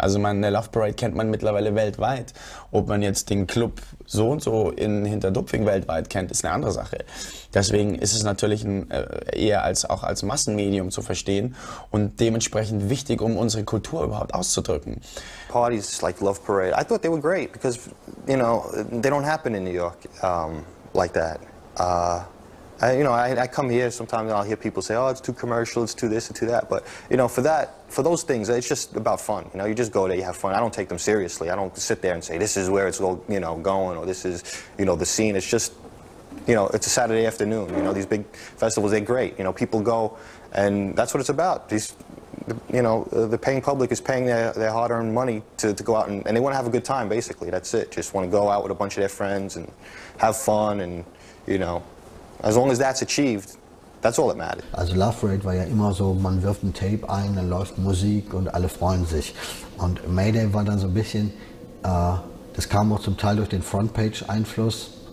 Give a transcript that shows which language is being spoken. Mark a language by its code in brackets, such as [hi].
[de] Also eine Love Parade kennt man mittlerweile weltweit. Ob man jetzt den Club so und so in Hinterdupfing weltweit kennt, ist eine andere Sache. Deswegen ist es natürlich eher als auch als Massenmedium zu verstehen und dementsprechend wichtig, um unsere Kultur überhaupt auszudrücken. [en] Parties like Love Parade, I thought they were great because, you know, they don't happen in New York like that. I come here sometimes and I'll hear people say, oh, it's too commercial, it's too this and too that. But, you know, for that, for those things, it's just about fun. You know, you just go there, you have fun. I don't take them seriously. I don't sit there and say, this is where it's all, you know, going, or this is, you know, the scene. It's just, you know, it's a Saturday afternoon. You know, these big festivals, they're great. You know, people go, and that's what it's about. These, you know, the paying public is paying their hard-earned money to go out, and they want to have a good time, basically. That's it. Just want to go out with a bunch of their friends and have fun and, you know, as long as that's achieved, that's all that matters. [de] Also Love Parade war ja immer so, man wirft ein Tape ein, dann läuft Musik und alle freuen sich. Und Mayday war dann so ein bisschen, das kam auch zum Teil durch den Frontpage-Einfluss.